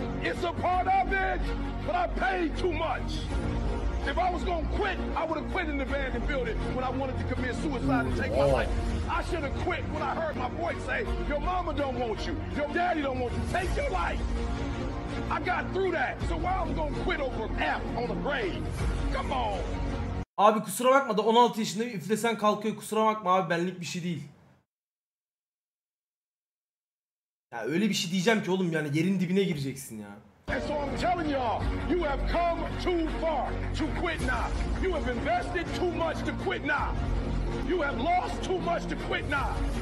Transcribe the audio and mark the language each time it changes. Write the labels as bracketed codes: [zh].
[en] It's a part of it, but I paid too much. If I was gonna quit, I would have quit in the abandoned building when I wanted to commit suicide and take my life. I should have quit when I heard my voice say, your mama don't want you, your daddy don't want you, take your life. I got through that, so why I'm gonna quit over an F on a grave? Come on. [tr] Abi kusura bakma da 16 yaşında bir üflesen kalkıyor, kusura bakma abi, benlik bir şey değil. Ya öyle bir şey diyeceğim ki oğlum, yani yerin dibine gireceksin ya. [en] And so I'm telling y'all, you have come too far to quit now. You have invested too much to quit now. You have lost too much to quit now.